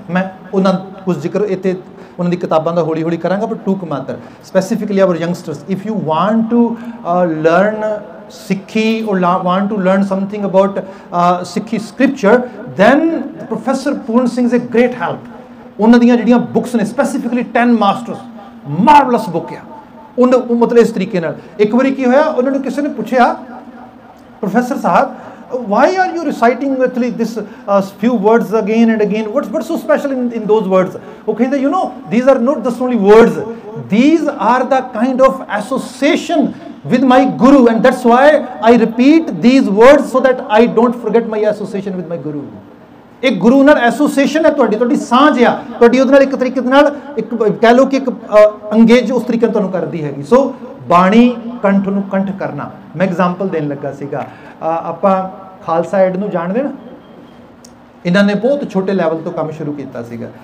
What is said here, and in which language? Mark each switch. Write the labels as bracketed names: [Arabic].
[Punjabi] ਮੈਂ ਉਹਨਾਂ ਕੁਝ ਜ਼ਿਕਰ ਇੱਥੇ ਉਹਨਾਂ ਦੀ ਕਿਤਾਬਾਂ ਦਾ ਹੌਲੀ ਹੌਲੀ ਕਰਾਂਗਾ, [English] But ਟੂਕ ਮਾਤਰ specifically our youngsters, if you want to learn Sikhi or want to learn something about Sikhi scripture, then professor Puran Singh is a great help. [Punjabi] ਉਹਨਾਂ ਦੀਆਂ ਜਿਹੜੀਆਂ ਬੁੱਕਸ ਨੇ, [English] specifically 10 masters, marvelous book [Punjabi] ਆ ਉਹਨਾਂ, ਮਤਲਬ ਇਸ ਤਰੀਕੇ ਨਾਲ। ਇੱਕ ਵਾਰੀ ਕੀ ਹੋਇਆ, ਉਹਨਾਂ ਨੂੰ ਕਿਸੇ ਨੇ ਪੁੱਛਿਆ, professor Sahib [English] why are you reciting with this few words again and again? What's so special in those words? Okay, you know, these are not just only words. These are the kind of association with my guru, and that's why I repeat these words so that I don't forget my association with my guru. [Punjabi] ਇੱਕ ਗੁਰੂ ਨਾਲ association ਹੈ, ਤੁਹਾਡੀ ਤੁਹਾਡੀ ਸਾਂਝ ਆ ਤੁਹਾਡੀ ਉਹਦੇ ਨਾਲ, ਇੱਕ ਤਰੀਕੇ ਦੇ ਨਾਲ ਇੱਕ ਕਹਿ ਲਓ ਕਿ ਇੱਕ ਅੰਗੇਜ ਉਸ ਤਰੀਕੇ ਨਾਲ ਤੁਹਾਨੂੰ ਕਰਦੀ ਹੈਗੀ। ਸੋ ਬਾਣੀ ਕੰਠ ਨੂੰ ਕੰਠ ਕਰਨਾ, ਮੈਂ ਐਗਜ਼ਾਮਪਲ ਦੇਣ ਲੱਗਾ ਸੀਗਾ। ਆਪਾਂ ਖਾਲਸਾ ਐਡ ਨੂੰ ਜਾਣਦੇ ਨਾ, ਇਹਨਾਂ ਨੇ ਬਹੁਤ ਛੋਟੇ ਲੈਵਲ ਤੋਂ ਕੰਮ ਸ਼ੁਰੂ ਕੀਤਾ ਸੀਗਾ।